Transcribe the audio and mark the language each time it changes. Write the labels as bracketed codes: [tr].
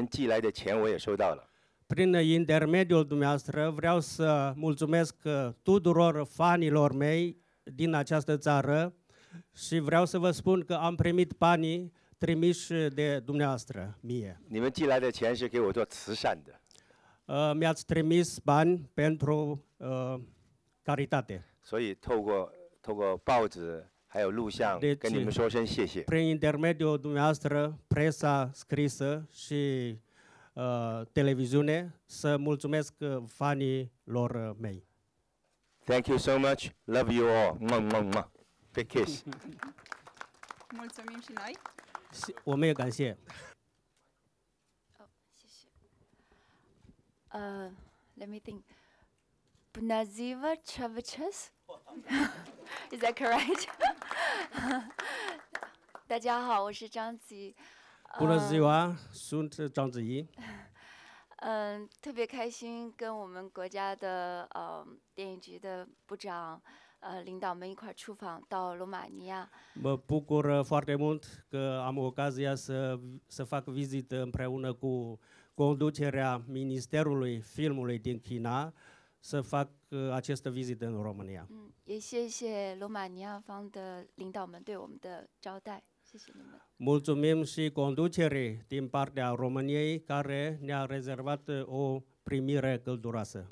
[zh] 在这边，我跟全国我的影迷讲一声谢谢你们，因为你们寄来的钱我也收到了。 [ro] Prin intermediul dumneavoastră vreau să mulțumesc tuturor fanilor mei din această țară și vreau să vă spun că am primit banii trimiși de dumneavoastră mie. [zh] 你们寄来的钱是给我做慈善的。 [ro] Mi-ați trimis bani pentru caritate. [zh] 所以透过报纸。还有录像，跟你们说声谢谢。 [ro] Prin intermediul dumneavoastră, presa scrisă și televiziune, să mulțumesc fanilor mei. [en] Thank you so much. Love you all. Mwah, mwah, mwah. Big kiss. [ro] Mulțumim și noi. [zh] 我们也感谢。谢谢。 [en] Let me think. [ro] Bună ziua, [en] Chavichas. Is that correct? [zh] 大家好，我是张子怡。 [ro] Bună ziua, sunt Zhang Ziyi. [zh] 特别开心跟我们国家的电影局的部长领导们一块出访到罗马尼亚。 [ro] Mă bucur foarte mult că am ocazia să fac vizită împreună cu conducerea Ministerului Filmului din China să fac această vizită în România. [zh] 也谢谢罗马尼亚方的领导们对我们的招待，谢谢你们。 [ro] Mulțumim și conducerii din partea României care ne-a rezervat o primire călduroasă.